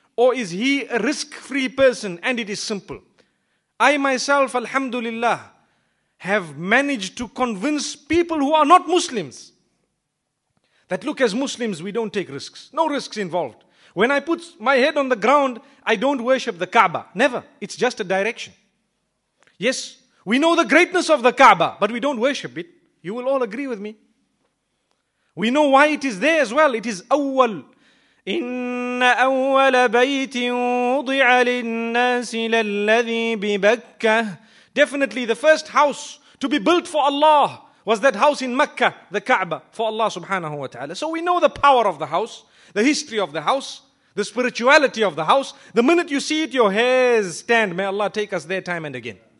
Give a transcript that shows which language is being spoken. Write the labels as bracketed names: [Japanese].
[English] Or is he a risk-free person? And it is simple. I myself, alhamdulillah, have managed to convince people who are not Muslims that look, as Muslims, we don't take risks. No risks involved. When I put my head on the ground, I don't worship the Kaaba. Never. It's just a direction. Yes, we know the greatness of the Kaaba, but we don't worship it. You will all agree with me. We know why it is there as well. It is awwal. [Arabic] إن أول بيت وضع للناس للذي ببكة. [English] Definitely the first house to be built for Allah was that house in Mecca, the Kaaba, for Allah subhanahu wa ta'ala. So we know the power of the house, the history of the house, the spirituality of the house. The minute you see it, your hairs stand. May Allah take us there time and again.